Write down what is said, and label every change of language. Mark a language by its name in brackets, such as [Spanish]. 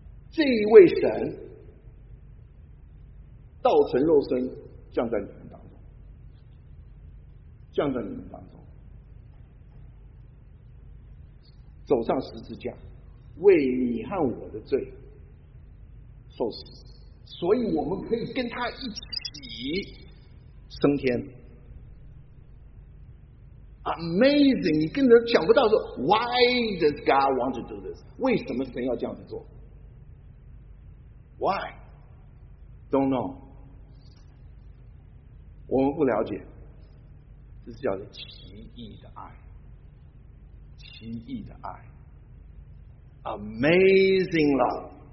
[Chinese] 这一位神道成肉身降在你们当中，降在你们当中，走上十字架，为你和我的罪受死，所以我们可以跟他一起升天。 [English] Amazing， [Chinese] 你根本想不到说 [English] Why does God want to do this？ [Chinese] 为什么神要这样子做 ？ [English] Why？ Don't know。 [Chinese] 我们不了解，这是叫做奇异的爱，奇异的爱 ， [English] Amazing love。